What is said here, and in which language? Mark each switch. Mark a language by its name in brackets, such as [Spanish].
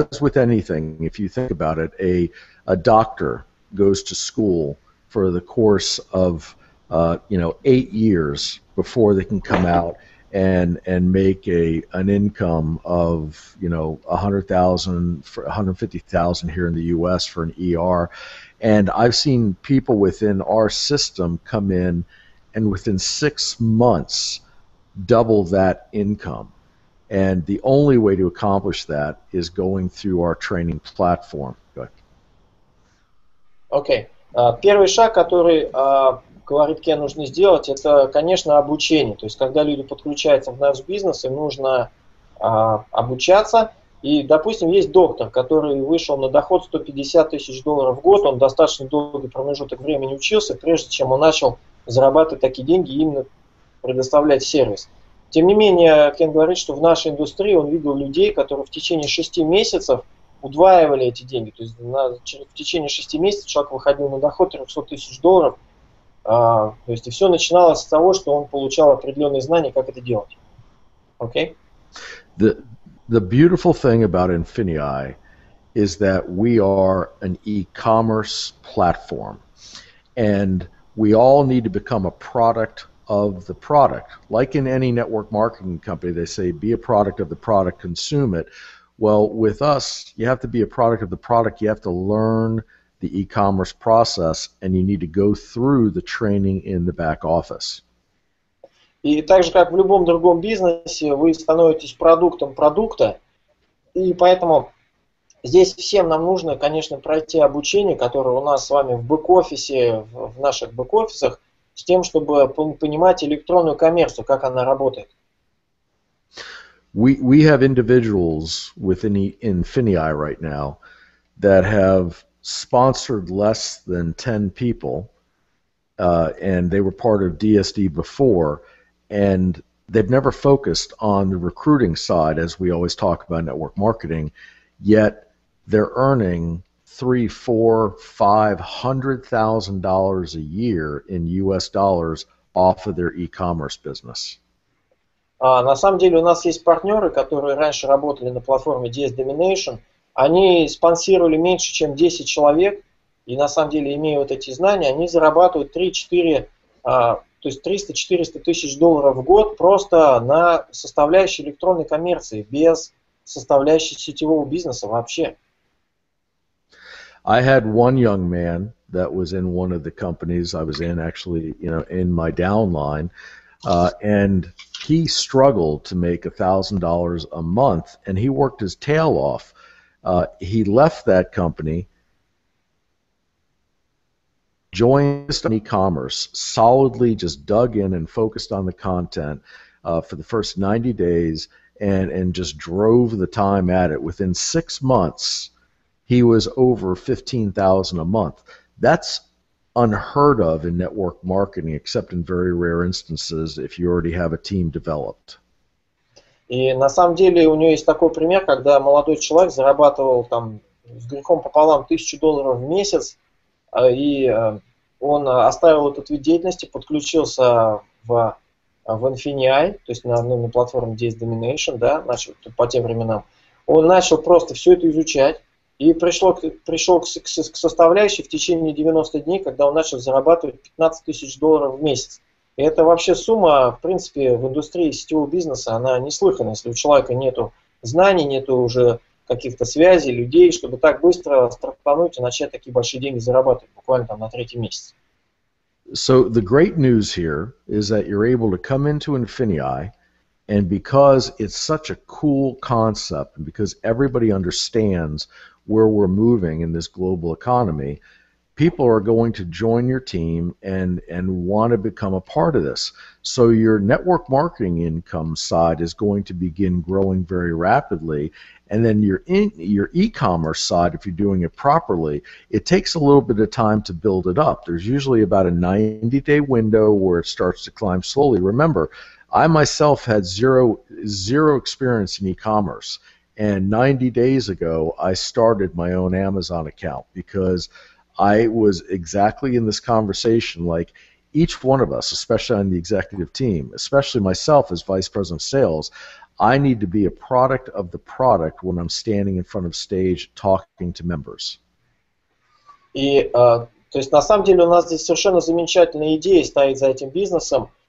[English] As with anything, if you think about it, a doctor goes to school for the course of 8 years before they can come out and make an income of, you know, $100,000 to $150,000 here in the US for an ER. And I've seen people within our system come in and within 6 months double that income. And the only way to accomplish that is going through our training platform. Okay. [Russian] Первый шаг, который, говорит Кен, нужно сделать, это, конечно, обучение. То есть, когда люди подключаются в наш бизнес, им нужно обучаться. И, допустим, есть доктор, который вышел на доход $150,000 в год, он достаточно долгий промежуток времени учился, прежде чем он начал зарабатывать такие деньги и именно предоставлять сервис. Тем не менее, Кен говорит, что в нашей индустрии он видел людей, которые в течение 6 месяцев удваивали эти деньги. То есть в течение 6 месяцев человек выходил на доход $300,000. То есть и все начиналось с того, что он получал определенные знания, как это делать. [English] Okay? The beautiful thing about Infinii is that we are an e-commerce platform. And we all need to become a product of the product. Like in any network marketing company, they say be a product of the product, consume it. Well, with us, you have to be a product of the product. You have to learn the e-commerce process, and you need to go through the training in the back office. [Russian] И так же, как в любом другом бизнесе, вы становитесь продуктом продукта, и поэтому здесь всем нам нужно, конечно, пройти обучение, которое у нас с вами в бэк-офисе, в наших бэк-офисах. с тем, чтобы понимать электронную коммерцию, как она работает. [English] We have individuals within Infinii right now that have sponsored less than 10 people, and they were part of DSD before, and they've never focused on the recruiting side, as we always talk about network marketing, yet they're earning $300,000-$500,000 a year in US dollars off of their e-commerce business. [Russian] На самом деле у нас есть партнеры, которые раньше работали на платформе DS Domination. Они спонсировали меньше, чем 10 человек, и на самом деле, имея вот эти знания, они зарабатывают 3-4, то есть 300-400 тысяч долларов в год просто на составляющей электронной коммерции, без составляющей сетевого бизнеса вообще. [English] I had one young man that was in one of the companies I was in, actually, you know, in my downline, and he struggled to make $1,000 a month, and he worked his tail off. He left that company, joined an e-commerce, solidly just dug in and focused on the content for the first 90 days, and just drove the time at it. Within 6 months, he was over $15,000 a month. That's unheard of in network marketing, except in very rare instances if you already have a team developed. [Russian] И на самом деле у него есть такой пример, когда молодой человек зарабатывал там с грехом пополам $1,000 в месяц, и он оставил этот вид деятельности, подключился в Infinii, то есть на платформе DS Domination, да, начал по тем временам. Он начал просто все это изучать. И пришел к составляющей в течение 90 дней, когда он начал зарабатывать $15,000 в месяц. И это вообще сумма, в принципе, в индустрии сетевого бизнеса, она неслыханная. Если у человека нету знаний, нету уже каких-то связей, людей, чтобы так быстро стартануть и начать такие большие деньги зарабатывать буквально там на третий месяц. [English] So the great news here is that you're able to come into Infinii, and because it's such a cool concept, and because everybody understands where we're moving in this global economy, people are going to join your team and want to become a part of this. So your network marketing income side is going to begin growing very rapidly, and then your e-commerce side, if you're doing it properly, it takes a little bit of time to build it up. There's usually about a 90-day window where it starts to climb slowly. Remember, I myself had zero experience in e-commerce. And 90 days ago, I started my own Amazon account because I was exactly in this conversation, like each one of us, especially on the executive team, especially myself as vice president of sales, I need to be a product of the product when I'm standing in front of stage talking to members. [Russian] И, то есть, на самом деле, у нас здесь совершенно замечательная идея стоит за этим бизнесом.